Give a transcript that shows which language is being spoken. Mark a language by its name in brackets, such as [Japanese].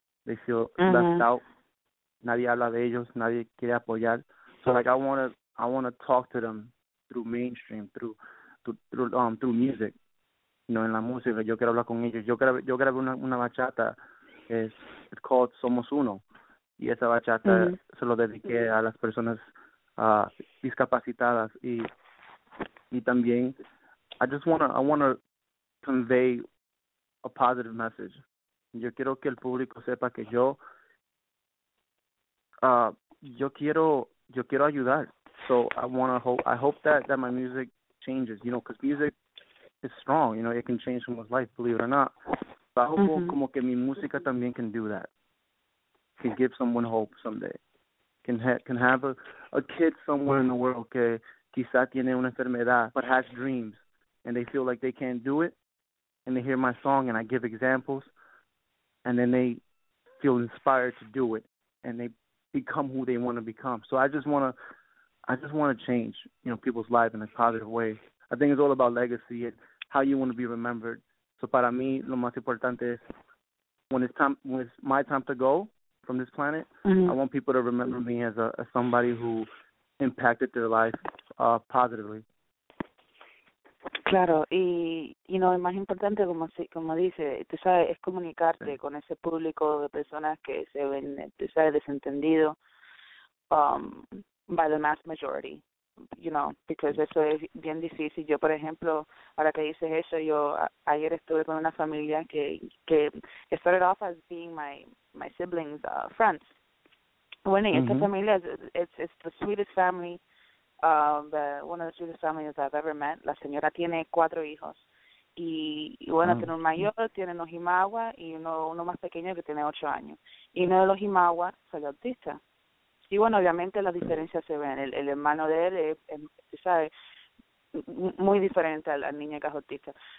[English] They feel left out. [Spanish] Nadie habla de ellos, nadie quiere apoyar. [English] So like I want to talk to them through mainstream, through music, [Spanish] no en la música. Yo quiero hablar con ellos. Yo grabé una bachata, es called Somos Uno, y esa bachata se lo dediqué a las personas discapacitadas. Y también, [English] I want to convey a positive message. [Spanish] Yo quiero que el público sepa que yo quiero ayudar. [English] So I hope that my music changes. You know, because music is strong. You know, it can change someone's life, believe it or not. But I hope [Spanish] como que mi música también [English] can do that. Can give someone hope someday. Can have a kid somewhere in the world [Spanish] que quizá tiene una enfermedad, [English] but has dreams, and they feel like they can't do it, and they hear my song, and I give examples, and then they feel inspired to do it, and they become who they want to become. So I just want to change, you know, people's lives in a positive way. I think it's all about legacy and how you want to be remembered. So [Spanish] para mí, lo más importante es, [English] when it's my time to go from this planet, I want people to remember me as somebody who impacted their life positively. [Spanish] Claro, y más importante, como dice, tú sabes, es comunicarte con ese público de personas que se ven, tú sabes, desentendido [English] by the mass majority, [Spanish] you know, because eso es bien difícil. Yo, por ejemplo, ahora que dices eso, ayer estuve con una familia que [English] started off as being my siblings' friends. [Spanish] Bueno, esta familia [English] it's the sweetest family. One of the sweetest families I've ever met. [Spanish] La señora tiene 4 hijos. Y bueno, tiene un mayor, tiene unos jimagua y uno más pequeño que tiene 8 años. Y uno de los jimagua salió autista. Y bueno, obviamente las diferencias se ven. El hermano de él es ¿sabes? Muy diferente al niño que es autista.